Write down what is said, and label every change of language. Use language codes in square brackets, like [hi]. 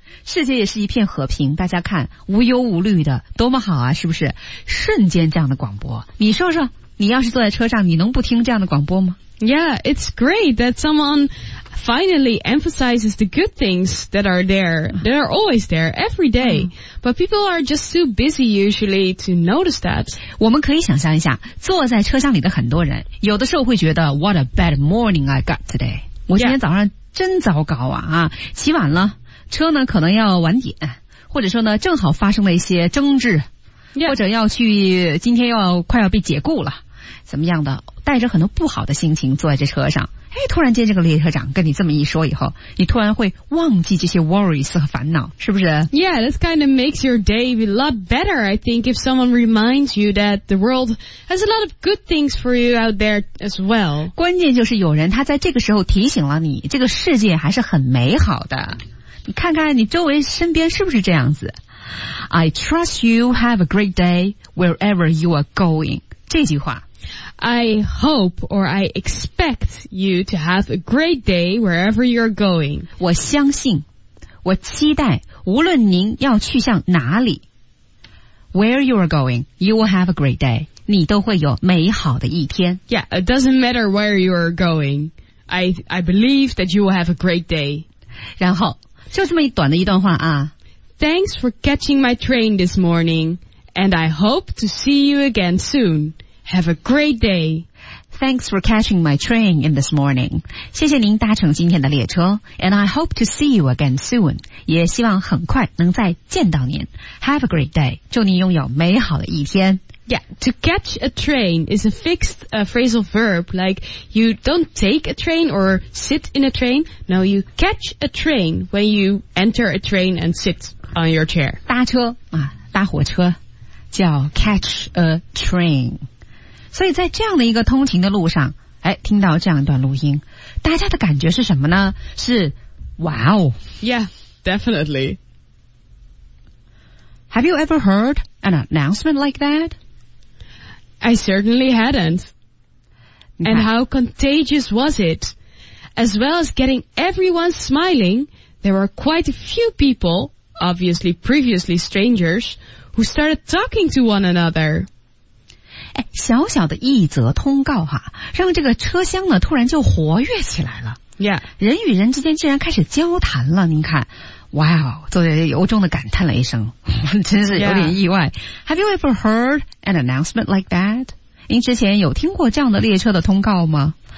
[zh] 世界也是一片和平，大家看，无忧无虑的，多么好啊，是不是？瞬间这样的广播，你说说，你要是坐在车上，你能不听这样的广播吗？ [en] Yeah, it's great that someone finally emphasizes the good things that are there, that are always there, every day. But people are just too busy usually to notice that. [zh] 我们可以想象一下，坐在车厢里的很多人，有的时候会觉得 [en] What a bad morning I got today. [zh] 我今天早上真糟糕啊，起晚了，车呢可能要晚点，或者说呢正好发生了一些争执，或者要去今天要快要被解雇了。怎么样的，带着很多不好的心情坐在这车上，哎，突然间这个列车长跟你这么一说以后，你突然会忘记这些 worries 和烦恼，是不是？ [en] Yeah, that kind of makes your day a lot better, I think, if someone reminds you that the world has a lot of good things for you out there as well. [zh] 关键就是有人他在这个时候提醒了你，这个世界还是很美好的，你看看你周围身边是不是这样子。 [en] I trust you have a great day wherever you are going. [zh] 这句话 [en] I hope or I expect you to have a great day wherever you're going. [zh] 我相信，我期待，无论您要去向哪里 ， [en] where you are going, you will have a great day. [zh] 你都会有美好的一天。 [en] Yeah, it doesn't matter where you are going. I believe that you will have a great day. [zh] 然后，就这么一短的一段话啊。 [en] Thanks for catching my train this morning, and I hope to see you again soon. Have a great day. Thanks for catching my train in this morning. [zh] 谢谢您搭乘今天的列车。 [en] And I hope to see you again soon. [zh] 也希望很快能再见到您。 [en] Have a great day. [zh] 祝您拥有美好的一天。 [en] Yeah, to catch a train is a fixed phrasal verb. Like, you don't take a train or sit in a train. No, you catch a train when you enter a train and sit on your chair. [zh] 搭车啊，搭火车叫 [en] catch a train. [zh] 所以在这样的一个通勤的路上，哎，听到这样一段录音，大家的感觉是什么呢？是，哇哦 [en] ！Yeah, definitely. Have you ever heard an announcement like that? I certainly hadn't. And how contagious was it? As well as getting everyone smiling, there were quite a few people obviously previously strangers, who started talking to one another. [zh] 小小的一则通告哈，让这个车厢呢突然就活跃起来了。 [en] Yeah. [zh] 人与人之间竟然开始交谈了，您看。Wow, 作者由衷地感叹了一声，真是有点意外。 [en] Yeah. Have you ever heard an announcement like that? [zh] 您之前有听过这样的列车的通告吗？